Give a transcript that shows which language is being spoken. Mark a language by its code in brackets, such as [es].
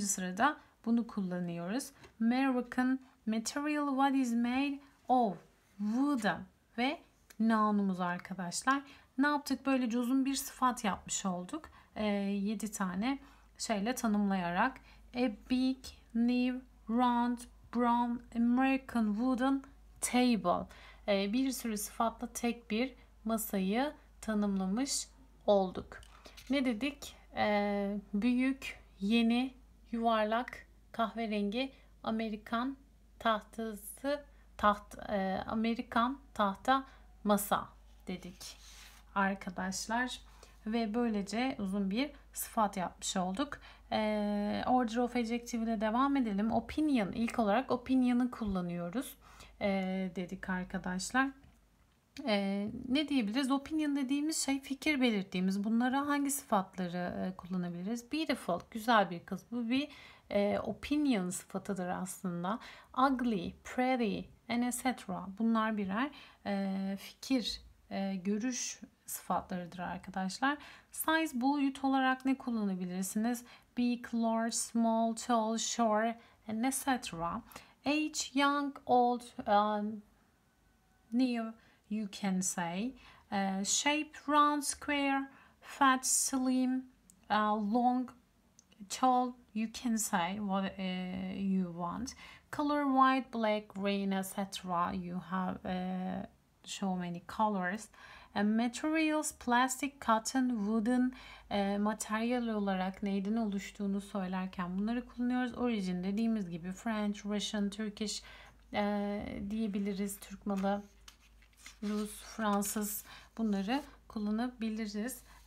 [tr] sırada bunu kullanıyoruz. [en] American, material, what is made of, wooden [tr] ve noun'umuz arkadaşlar. Ne yaptık? Böyle cozun bir sıfat yapmış olduk. 7 tane şeyle tanımlayarak. [en] A big, new, round, brown, American wooden table. [tr] Bir sürü sıfatla tek bir masayı tanımlamış olduk. Ne dedik? Büyük, yeni, yuvarlak, kahverengi, Amerikan tahtası, Amerikan tahta masa dedik arkadaşlar. Ve böylece uzun bir sıfat yapmış olduk. [en] Order of adjective [tr] ile devam edelim. Opinion, ilk olarak opinion'ı kullanıyoruz dedik arkadaşlar. Ne diyebiliriz? Opinion dediğimiz şey fikir belirttiğimiz. Bunlara hangi sıfatları kullanabiliriz? Beautiful, güzel bir kız. Bu bir opinion sıfatıdır aslında. [en] Ugly, pretty and etc. [tr] Bunlar birer fikir, görüş sıfatlarıdır arkadaşlar. Size, boyut olarak ne kullanabilirsiniz? [en] Big, large, small, tall, short and etc. Age, young, old, new, you can say. Shape, round, square, fat, slim, long, tall, you can say what you want. Color, white, black, green, etc. You have so many colors. Materials, plastic, cotton, wooden, [tr] materyal olarak neyden oluştuğunu söylerken bunları kullanıyoruz. Origin dediğimiz gibi [en] French, Russian, Turkish [tr] diyebiliriz. Türk malı, Rus, Fransız, bunları kullanabiliriz.